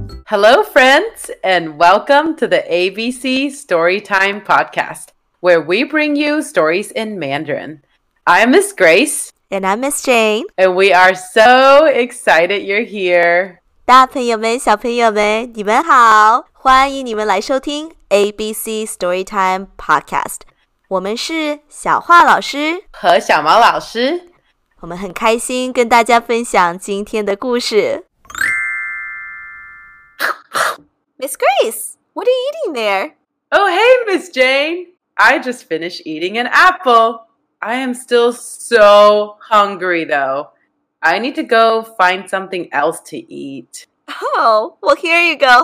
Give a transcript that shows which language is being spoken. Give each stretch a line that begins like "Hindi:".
English: Hello, friends, and welcome to the ABC Storytime Podcast, where we bring you stories in Mandarin. I'm Miss Grace. And I'm Miss Jane. And we are so excited you're here.
Chinese: 大朋友们，小朋友们，你们好，欢迎你们来收听 ABC Storytime Podcast. 我们是小画老师和小毛老师。我们很开心跟大家分享今天的故事。
English: Miss Grace, what are you eating there? Oh, hey, Miss Jane. I just finished eating an apple. I am still so hungry, though. I need to go find something else to eat. Oh, well, here you go.